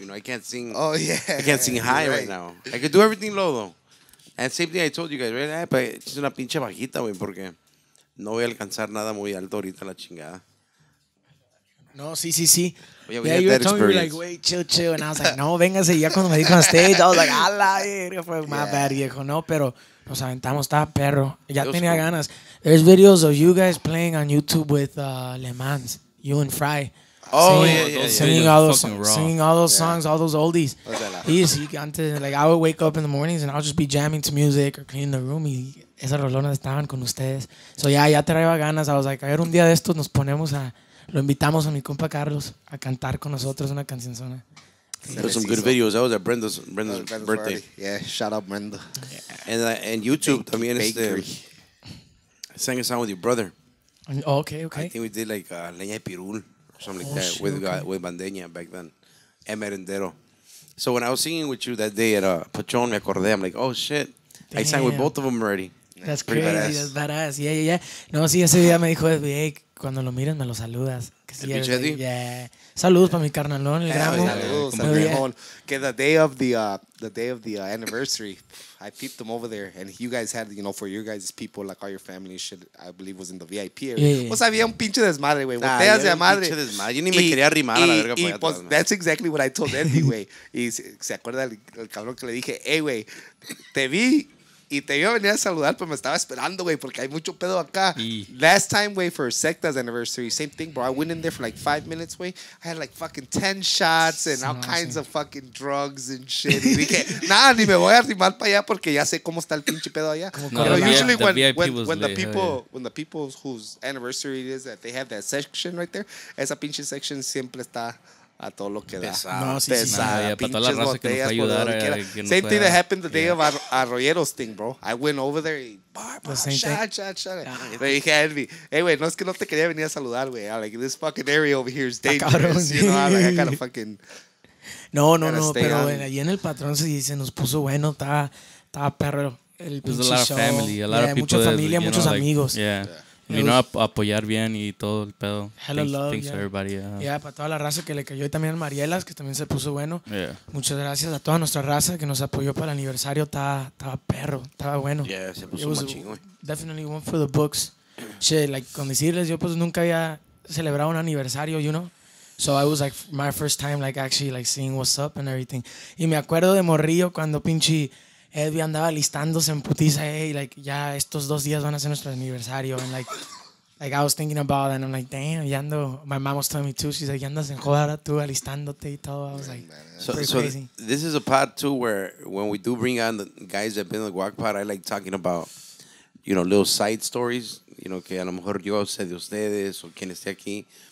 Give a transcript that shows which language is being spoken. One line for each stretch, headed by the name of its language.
English: You know, I can't sing. Oh, yeah. I can't sing high right now. I could do everything low, though. And same thing I told you guys, right? But
Spanish: es una pinche bajita, güey, porque no voy a alcanzar nada muy alto ahorita la chingada. No, sí.
English: Yeah, you were telling me, like, wait, chill. And I was like,
Spanish: no, véngase. Ya cuando me dijo
English: on stage, I was like,
Spanish: ala, fue más
English: bad,
Spanish: viejo. No, pero nos aventamos, estaba perro. Ya tenía ganas.
English: There's videos of you guys playing on YouTube with Le Mans, you and Fry. Oh, singing all those songs, all those oldies. I would wake up in the mornings and I'll just be jamming to music or cleaning the room.
Spanish: Y esas rolonas estaban con ustedes.
English: So,
Spanish: ya traía ganas.
English: I was like,
Spanish: a ver, un día de estos nos ponemos a... Lo invitamos a mi compa Carlos a cantar con nosotros una cancionzona.
English: There's some good videos. That was at Brenda's birthday. Party. Yeah, shout out Brenda. And YouTube, I mean, sang a song with your brother. Okay. I think we did like Leña de Pirul or something like that with Bandeña back then. And Merendero. So when I was singing with you that day at Pachon,
Spanish: me acordé.
English: I'm like, oh, shit. Damn. I sang with both of them already. That's crazy. Badass. That's badass. Yeah.
Spanish: No, sí, ese día me dijo, hey, cuando lo mires, me lo saludas. El Pichetti? Yeah. Saludos para mi carnalón, el gramo. Saludos, el gramo. Que
English: the day of the anniversary, I peeped him over there. And you guys had, you know, for your guys' people, like all your family shit, I believe was in the VIP area.
Spanish: Pues había un pinche desmadre, güey. Boteas de madre. Pinche desmadre. Yo ni me quería arrimar a la verga. Y pues,
English: that's exactly what I told Eddie,
Spanish: güey. Y se acuerda el cabrón que le dije, hey, güey, te vi... Y te iba a venir a saludar, pero me estaba esperando, güey, porque hay mucho pedo acá.
English: Last time, güey, for Secta's anniversary, same thing, bro. I went in there for like 5 minutes, güey. I had like fucking 10 shots and all kinds of fucking drugs and shit.
Spanish: Y dije, nada, ni me voy a arrimar para allá porque ya sé cómo está el pinche pedo allá.
English: Pero usually when the people whose anniversary it is, that they have that section right there,
Spanish: esa pinche section siempre está... A todo lo que pesado. Da. No, sí, pesado. Sí. Para toda la raza que nos fue ayudar.
English: Same thing that happened the day of Arroyero's thing, bro. I went over there and... Shut. They had me. Hey, wait,
Spanish: no es que no te quería venir a saludar, güey.
English: Like, this fucking area over here is dangerous. You know, like, I gotta fucking...
Spanish: No, pero allí en el patrón se nos puso bueno. Estaba perro. El pinche show.
English: There's a lot of family. A lot of people.
Spanish: Mucha familia, muchos amigos.
English: Yeah.
Spanish: Vino a apoyar bien y todo el pedo.
English: Hello, thanks, love. Thanks yeah. for everybody.
Spanish: Yeah, para toda la raza que le cayó. Y también a Marielas, que también se puso bueno.
English: Yeah.
Spanish: Muchas gracias a toda nuestra raza que nos apoyó para el aniversario. Estaba perro, estaba bueno. Yeah, se puso un chingón.
English: Definitely one for the books. Shit, like,
Spanish: con decirles, yo pues nunca había celebrado un aniversario,
English: you know? So I was like, my first time, like, actually, like, seeing what's up and everything.
Spanish: Y me acuerdo de Morrillo cuando pinche... Edwin andaba listándose en putiza,
English: hey, like,
Spanish: ya estos dos días van a ser nuestro aniversario.
English: And, like I was thinking about it, and I'm like, damn,
Spanish: ya ando,
English: my mom was telling me too, she's like,
Spanish: ya andas en joda tú alistándote y todo.
English: I was like, so this is a part too where when we do bring on the guys that have been in the guac pot, I like talking about, you know, little side stories, you know,
Spanish: que a lo mejor yo sé de ustedes o quien esté aquí.